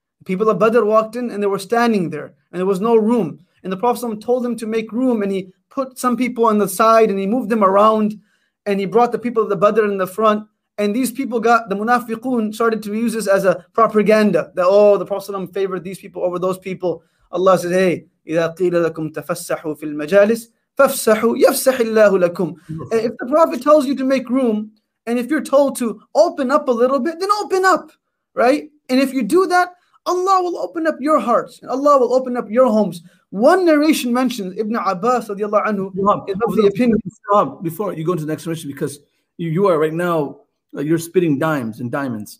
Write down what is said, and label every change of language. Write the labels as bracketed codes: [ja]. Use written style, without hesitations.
[en] People of Badr walked in, and they were standing there, and there was no room. And the Prophet ﷺ told them to make room, and he put some people on the side, and he moved them around, and he brought the people of the Badr in the front. And these people got, the munafiqun started to use this as a propaganda that, oh, the Prophet ﷺ favored these people over those people. Allah says, hey, [ar] إِذَا قِيلَ لَكُمْ تَفَسَّحُوا فِي الْمَجَالِسِ فَفْسَحُوا يَفْسَحِ اللَّهُ لَكُمْ. [en] If the Prophet tells you to make room, and if you're told to open up a little bit, then open up, right? And if you do that, Allah will open up your hearts. And Allah will open up your homes. One narration mentions Ibn Abbas radiallahu anhu, is of the opinion. Before you go to the next narration, because you are right now, you're spitting dimes and diamonds.